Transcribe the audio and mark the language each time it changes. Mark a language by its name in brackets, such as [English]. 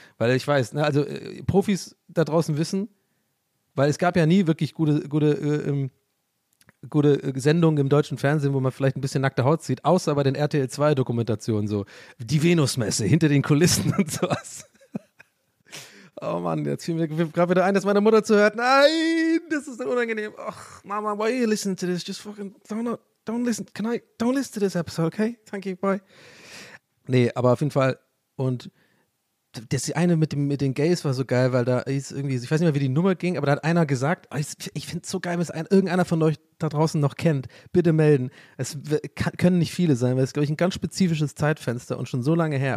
[German] Weil ich weiß, ne, also Profis da draußen wissen, weil es gab ja nie wirklich gute Sendung im deutschen Fernsehen, wo man vielleicht ein bisschen nackte Haut sieht, außer bei den RTL2-Dokumentationen so. Die Venusmesse hinter den Kulissen und sowas. Oh Mann, jetzt fiel mir gerade wieder ein, dass meine Mutter zuhört. Nein, das ist so unangenehm. [English] Och, Mama, why are you listening to this? Just fucking don't listen. Don't listen to this episode, okay? Thank you, bye. [German] Nee, aber auf jeden Fall. Und das eine mit den Gays war so geil, weil da ist irgendwie, ich weiß nicht mehr, wie die Nummer ging, aber da hat einer gesagt, ich finde es so geil, wenn es irgendeiner von euch da draußen noch kennt, bitte melden. Es können nicht viele sein, weil es ist, glaube ich, ein ganz spezifisches Zeitfenster und schon so lange her.